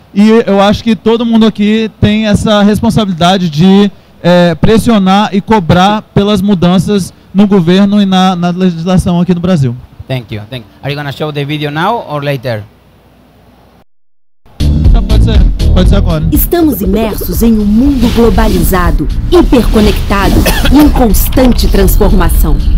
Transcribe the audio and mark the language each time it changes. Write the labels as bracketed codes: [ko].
[pt] E eu acho que todo mundo aqui tem essa responsabilidade de pressionar e cobrar pelas mudanças no governo e na legislação aqui no Brasil. [en] Thank you. Are you going to show the video now or later? [pt] Pode ser agora. Estamos imersos em um mundo globalizado, hiperconectado e em constante transformação.